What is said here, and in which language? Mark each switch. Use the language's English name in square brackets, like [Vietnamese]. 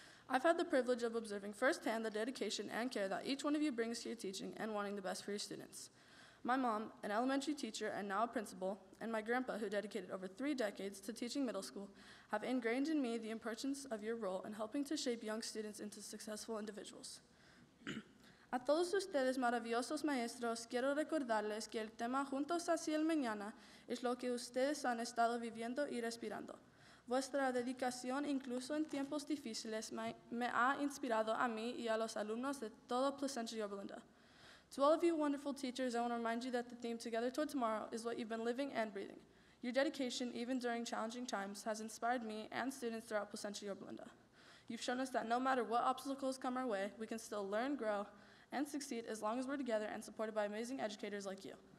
[English] I've had the privilege of observing firsthand the dedication and care that each one of you brings to your teaching and wanting the best for your students. My mom, an elementary teacher and now a principal, and my grandpa, who dedicated over 3 decades to teaching middle school, have ingrained in me the importance of your role in helping to shape young students into successful individuals. [Spanish] A todos ustedes, maravillosos maestros, quiero recordarles que el tema Juntos hacia el mañana es lo que ustedes han estado viviendo y respirando. Vuestra dedicación, incluso en tiempos difíciles, me ha inspirado a mí y a los alumnos de todo Placentia-Yorba. [English] To all of you wonderful teachers, I want to remind you that the theme Together Toward Tomorrow is what you've been living and breathing. Your dedication, even during challenging times, has inspired me and students throughout Placentia-Yorba. You've shown us that no matter what obstacles come our way, we can still learn, grow, and succeed as long as we're together and supported by amazing educators like you.